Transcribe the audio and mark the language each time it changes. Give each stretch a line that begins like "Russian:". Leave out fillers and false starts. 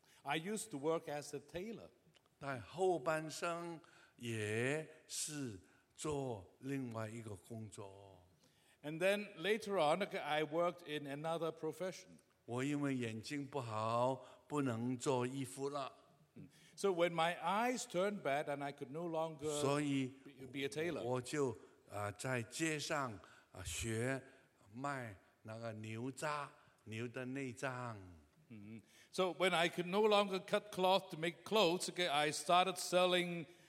English: I used to work as a tailor.
Chinese: 但后半生也是。做另外一个工作。
English: And then later on, I worked in another profession.
Chinese: 我因为眼睛不好，不能做衣服了。
English: So when my eyes turned bad and I could no longer
Chinese: 所以
English: be a tailor,
Chinese: 我就在街上学卖那个牛渣，牛的内脏。
English: So when I could no longer cut cloth to make clothes, okay, I started selling.